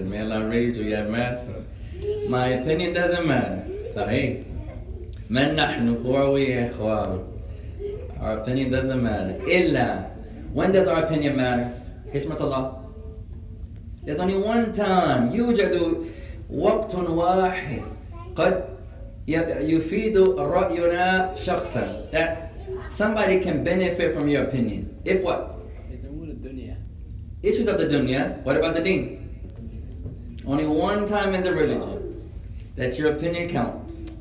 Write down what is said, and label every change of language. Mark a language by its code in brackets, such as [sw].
[en] May Allah raise you, yeah, ماسي. My opinion doesn't matter. [ar] صحيح. من نحن? [en] Who are we, إخوان? Our opinion doesn't matter. [ar] إلا. [en] When does our opinion matter? [ar] حسمة الله. [en] There's only one time. [ar] يوجد وقت واحد قد يفيد رأينا شخصا. [en] That somebody can benefit from your opinion. If what? It's all the dunya. Issues of the dunya. What about the deen? Only one time in the religion that your opinion counts.